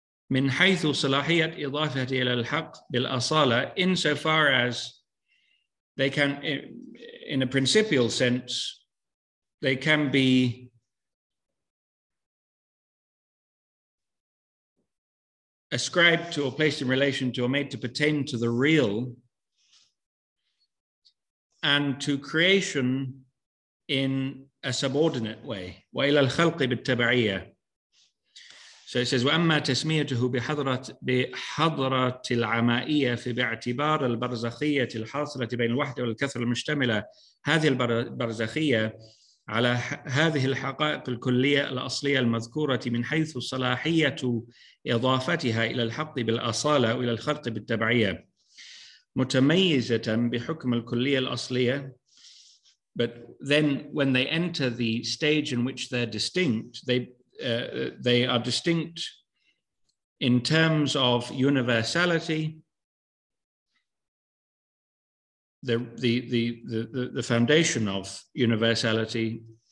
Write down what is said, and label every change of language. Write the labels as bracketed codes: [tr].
[ar] min haythu salahiyat idafati ila al-haq bil-asala, [en] insofar as they can, in a principial sense, they can be ascribed to or placed in relation to or made to pertain to the real and to creation in a subordinate way. [ar] وَإِلَى الْخَلْقِ بِالتَّبَعِيَّةِ. [en] So it says, [ar] وَأَمَّا تَسْمِيَتُهُ بِحَضْرَةِ الْعَمَائِيَّةِ فِبِاعْتِبَارِ الْبَرْزَخِيَّةِ الْحَاصِلَةِ بَيْنَ الْوَحْدَةِ وَالْكَثْرَةِ الْمُشْتَمِلَةِ هَذِهِ الْبَرْزَخِيَّةِ على هذه الحقائق الكلية الأصلية المذكورة من حيث صلاحية إضافتها إلى الحق بالأصالة وإلى الخلق بالتبعية متميزة بحكم الكلية الأصلية. [en] But then when they enter the stage in which they're distinct, they are distinct in terms of universality, the foundation of universality,